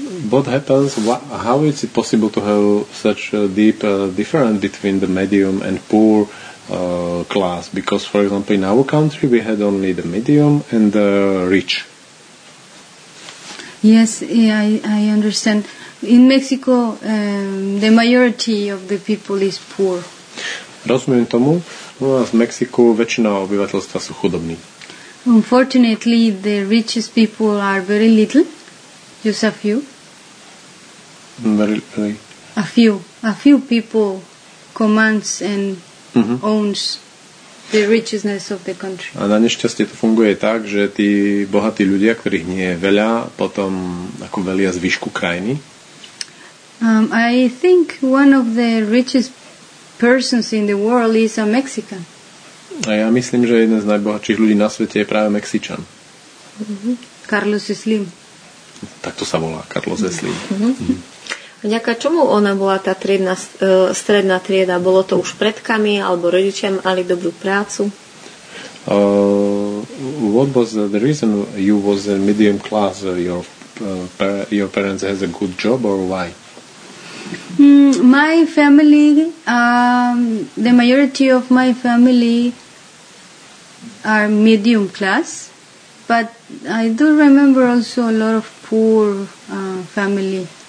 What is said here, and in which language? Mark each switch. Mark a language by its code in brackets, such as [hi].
[en] What happens, how is it possible to have such a deep difference between the medium and poor class? Because, for example, in our country we had only the medium and the rich. Yes, yeah, I understand. In Mexico, the majority of the people is poor. [sk] Rozumiem tomu. U nás v Mexiku väčšina obyvateľstva sú chudobní. [en] Unfortunately, the richest people are very little. Just a few. Really? A few people commands and mm-hmm. owns the richness of the country. [sk] A na nešťastie to funguje tak, že tí bohatí ľudia, ktorých nie je veľa, potom ako velia zvyšku krajiny. [en] I think one of the richest persons in the world is a Mexican. [sk] A ja myslím, že jeden z najbohatších ľudí na svete je práve Mexičan. [en] Mm-hmm. Carlos Slim. [sk] Tak to sa volá, Carlos mm-hmm. Slim. Mm-hmm. A ďaká čomu ona bola tá triedna, stredná trieda? Bolo to už predkami, alebo rodičia mali dobrú prácu? [en] What was the reason you was a medium class? Your parents had a good job or why? My family, the majority of my family are medium class, but I do remember also a lot of poor family.